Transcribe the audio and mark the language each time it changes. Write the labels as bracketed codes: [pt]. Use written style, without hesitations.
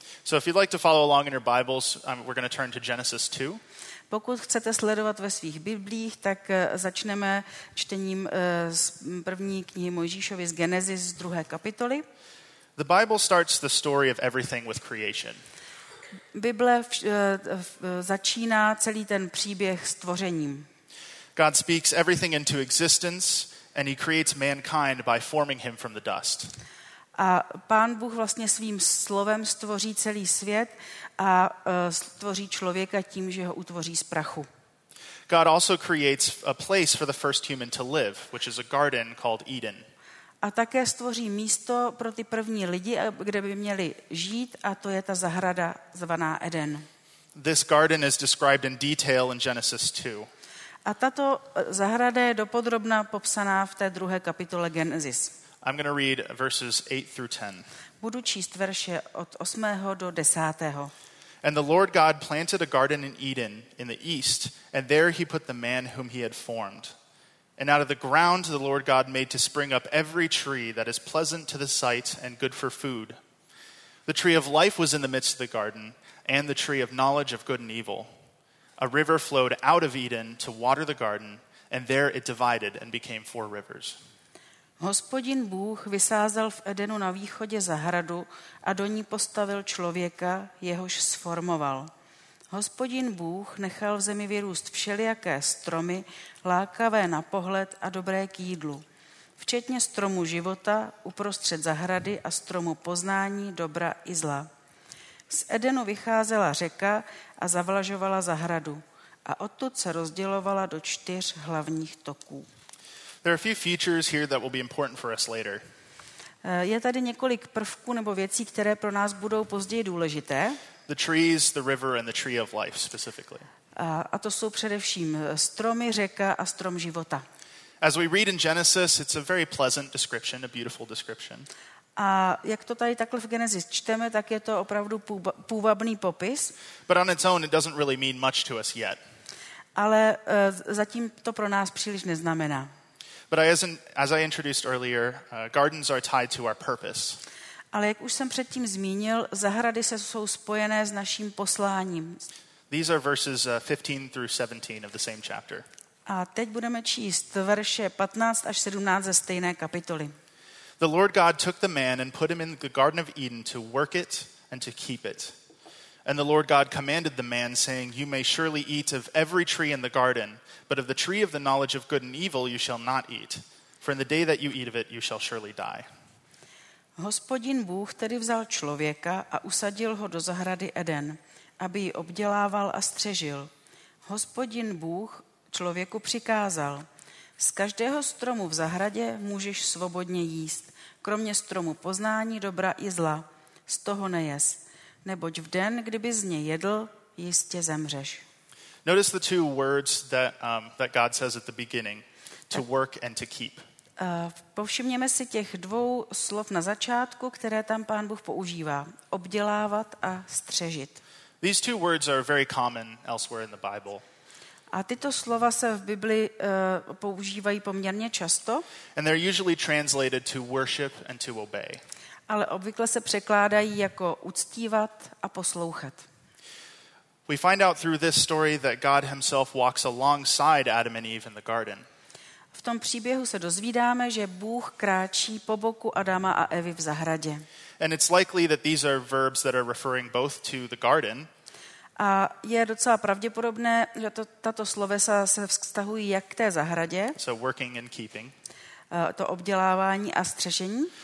[en] So if you'd like to follow along in your Bibles, we're going to turn to Genesis 2. [cs] Pokud chcete sledovat ve svých Biblích, tak začneme čtením z první knihy Mojžíšovy z Genesis z druhé kapitoly. [en] The Bible starts the story of everything with creation. [cs] Bible začíná celý ten příběh stvořením. [en] God speaks everything into existence and he creates mankind by forming him from the dust. [cs] A Pán Bůh vlastně svým slovem stvoří celý svět a stvoří člověka tím, že ho utvoří z prachu. [en] God also creates a place for the first human to live, which is a garden called Eden. [cs] A také stvoří místo pro ty první lidi, kde by měli žít, a to je ta zahrada zvaná Eden. [en] This garden is described in detail in Genesis 2. [cs] A tato zahrada je dopodrobna popsaná v té druhé kapitole Genesis. [en] I'm going to read verses 8 through 10. [cs] Budu číst verše od 8. do 10. [en] And the Lord God planted a garden in Eden in the east, and there he put the man whom he had formed. And out of the ground the Lord God made to spring up every tree that is pleasant to the sight and good for food. The tree of life was in the midst of the garden, and the tree of knowledge of good and evil. A river flowed out of Eden to water the garden, and there it divided and became four rivers. [cs] Hospodin Bůh vysázel v Edenu na východě zahradu a do ní postavil člověka, jehož sformoval. Hospodin Bůh nechal v zemi vyrůst všelijaké stromy, lákavé na pohled a dobré k jídlu, včetně stromu života uprostřed zahrady a stromu poznání dobra i zla. Z Edenu vycházela řeka a zavlažovala zahradu a odtud se rozdělovala do čtyř hlavních toků. [en] There are a few features here that will be important for us later. [cs] Je tady několik prvků nebo věcí, které pro nás budou později důležité. [en] The trees, the river and the tree of life specifically. [cs] A to jsou především stromy, řeka a strom života. [en] As we read in Genesis, it's a very pleasant description, a beautiful description. [cs] A jak to tady takhle v Genesis čteme, tak je to opravdu půvabný popis. [en] But on its own it doesn't really mean much to us yet. [cs] Ale zatím to pro nás příliš neznamená. [en] But as I introduced earlier, gardens are tied to our purpose. [cs] Ale jak už jsem předtím zmínil, zahrady se jsou spojené s naším posláním. [en] These are verses 15 through 17 of the same chapter. [cs] A teď budeme číst verše 15 až 17 ze stejné kapitoly. [en] The Lord God took the man and put him in the garden of Eden to work it and to keep it. And the Lord God commanded the man, saying, You may surely eat of every tree in the garden, but of the tree of the knowledge of good and evil you shall not eat. For in the day that you eat of it, you shall surely die. [cs] Hospodin Bůh tedy vzal člověka a usadil ho do zahrady Eden, aby ji obdělával a střežil. Hospodin Bůh člověku přikázal, z každého stromu v zahradě můžeš svobodně jíst, kromě stromu poznání dobra i zla, z toho nejes. Neboť v den, kdyby z něj jedl, jistě zemřeš. [en] Notice the two words that that God says at the beginning, to work and to keep. [cs] Povšimněme si těch dvou slov na začátku, které tam Pán Bůh používá, obdělávat a střežit. [en] These two words are very common elsewhere in the Bible. [cs] A tyto slova se v Bibli používají poměrně často. [en] And they're usually translated to worship and to obey. [cs] ale obvykle se překládají jako uctívat a poslouchat. [en] We find out through this story that God himself walks alongside Adam and Eve in the garden. [cs] V tom příběhu se dozvídáme, že Bůh kráčí po boku Adama a Evy v zahradě. [en] And it's likely that these are verbs that are referring both to the garden. [cs] A je docela pravděpodobné, že tato slovesa se vztahují jak k té zahradě. [en] So working and keeping. [cs] To obdělávání a střežení.